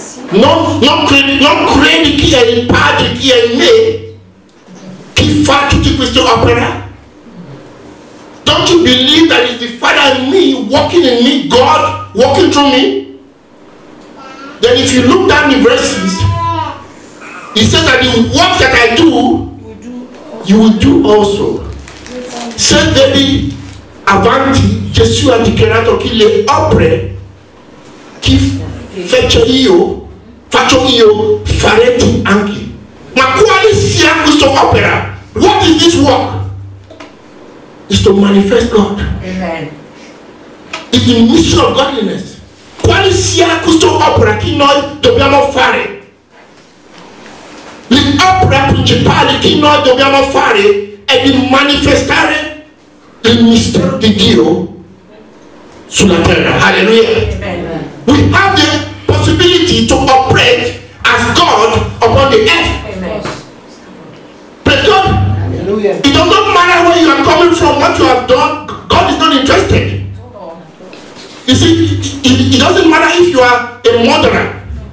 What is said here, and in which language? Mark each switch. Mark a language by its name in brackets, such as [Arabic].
[Italian] Non credi chi è il Padre, chi è me, chi fa tutte queste opere? [English] Don't you believe that it's the Father in me, walking in me, God walking through me? Then if you look down the verses, he says that the works that I do, you will do also. [Italian] Said David, avanti, Gesù ha dichiarato che le opere che faccio io, farete anche. Ma quale sia questa opera? [English] What is this work? It's to manifest God. Amen. It's the mission of godliness. [Italian] Quale sia questa opera che noi dobbiamo fare? L'opera principale che noi dobbiamo fare è di manifestare il mistero di Dio sulla terra. Alleluia. Amen. [English] We have the possibility to operate as God upon the earth. Amen. Praise God. Hallelujah. It does not matter where you are coming from, what you have done, God is not interested. You see, it doesn't matter if you are a murderer.